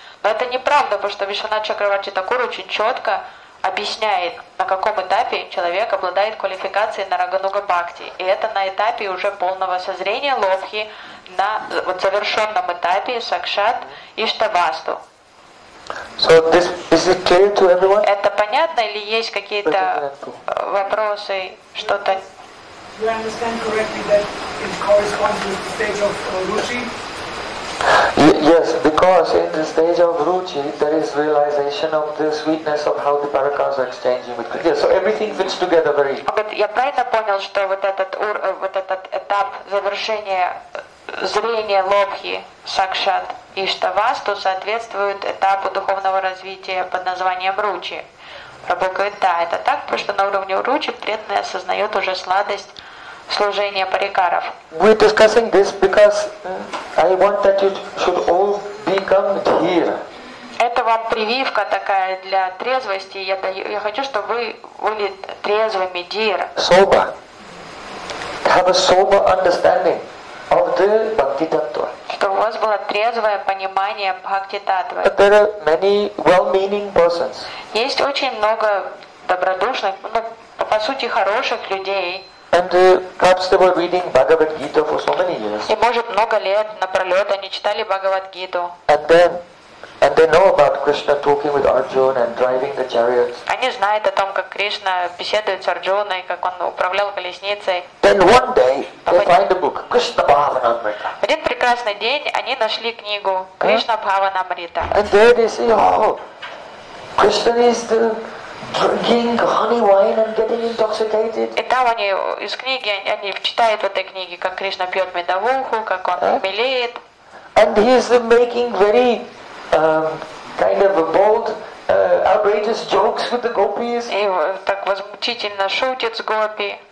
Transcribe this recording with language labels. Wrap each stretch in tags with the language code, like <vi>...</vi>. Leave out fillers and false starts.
<ru>Но это неправда, потому что Вишванатха Чакраварти Такур очень четко объясняет, на каком этапе человек обладает квалификацией на рагануга бхакти. И это на этапе уже полного созрения лодхи, на вот завершенном этапе сакшат иштавасту.</ru> <en>So is it clear to everyone?</en> <ru>Это понятно или есть какие-то вопросы, что-то?</ru> <en>You understand correctly that it corresponds to the stage of Ruchi? Yes, because in the stage of Ruchi there is realization of the sweetness of how the parakas are exchanging with Krishna. Yes, so everything fits together very. But</en> <ru>я правильно понял, что вот этот этап завершения зрение лобхи сакшат иштавасту соответствует этапу духовного развития под названием ручи. Прабху говорит, да, это так, потому что на уровне ручи преданный осознает уже сладость служения парикаров.</ru> <en>We're discussing this because I want that you should all become here.</en> <ru>Это вам прививка такая для трезвости. Я хочу, чтобы вы были трезвыми, дир.</ru> <en>Sober. Have a sober understanding. Of the bhakti tattva.</en> <ru>Чтобы у вас было трезвое понимание бхакти таттвы.</ru> <en>But there are many well-meaning persons.</en> <ru>Есть очень много добродушных, ну, по сути хороших людей.</ru> <en>And perhaps they were reading Bhagavad Gita for so many years.</en> <ru>И может много лет напролет они читали Бхагавад Гиту.</ru> <en>And they know about Krishna talking with Arjuna and driving the chariots.</en> <ru>Они знают о том, как Кришна беседует с Арджуной, как он управлял колесницей.</ru> <en>Then one day they find a book, Krishna Bhavanamrita.</en> <ru>В один прекрасный день они нашли книгу Кришна Бхавана-мрита.</ru> <en>And there they say, oh, Krishna is the drinking honey wine and getting intoxicated.</en> <ru>И там они из книги они читают в этой книге, как Кришна пьет медовуху, как он хмелеет.</ru> <en>And he is making very kind of bold, outrageous jokes with the gopis.</en> <ru>И так возмутительно шутит с гопи.</ru>